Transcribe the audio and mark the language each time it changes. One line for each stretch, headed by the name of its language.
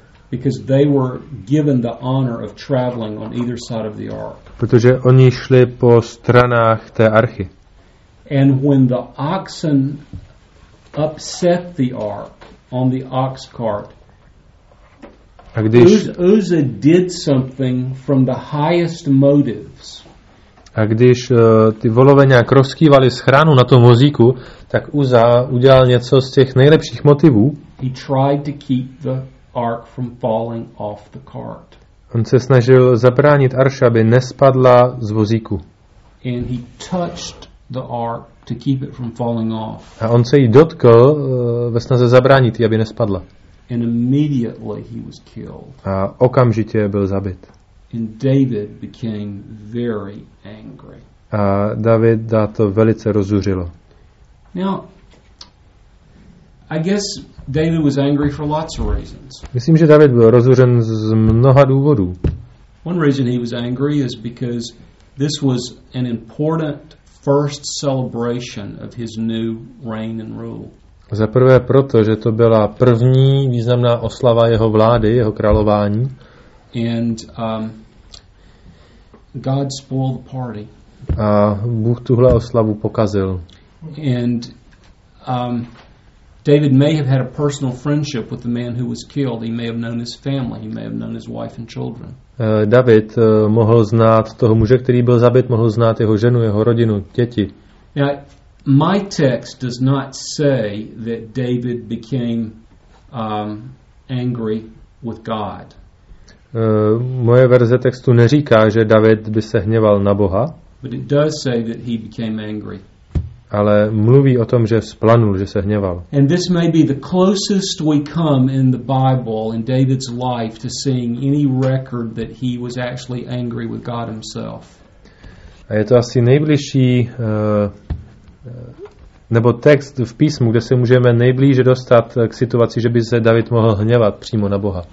English: Because they were given the honor of traveling on either side of the ark.
Czech: Protože oni šli po stranách té archy.
English: And when the oxen upset the ark on the ox cart,
Czech: a když
English: Uzza did something from the highest motives.
Czech: A když ty volové nějak rozkývali schránu na tom vozíku, tak Uzza udělal něco z těch nejlepších motivů.
English: He tried to keep the ark from falling off the cart.
Czech: On se snažil zabránit arši, aby nespadla z vozíku.
English: And he touched the ark to keep it from falling off.
Czech: A on se jí dotkl ve snaze zabránit, aby nespadla.
English: And immediately he was killed.
Czech: A okamžitě byl zabit.
English: And David became very angry.
Czech: A Davida to velice rozuřilo.
English: Now, I guess David was angry for lots of reasons.
Czech: Myslím, že David byl rozuřen z mnoha důvodů.
English: One reason he was angry is because this was an important first celebration of his new reign and rule.
Czech: Za prvé proto, že to byla první významná oslava jeho vlády, jeho králování.
English: And God spoiled the party.
Czech: A Bůh tuhle oslavu pokazil.
English: And David may have had a personal friendship with the man who was killed. He may have known his family, he may have known his wife and children.
Czech: David mohl znát toho muže, který byl zabit, mohl znát jeho ženu, jeho rodinu, děti.
English: Now, my text does not say that David became angry with God.
Czech: Moje verze textu neříká, že David by se hněval na Boha.
English: But it does say that he became angry.
Czech: Ale mluví o tom, že splanul, že se hněval.
English: And this may be the closest we come in the Bible in David's life to seeing any record that he was actually angry with God himself.
Czech: A je to asi nejbližší nebo text v písmu, kde se můžeme nejblíže dostat k situaci, že by se David mohl hněvat přímo na Boha.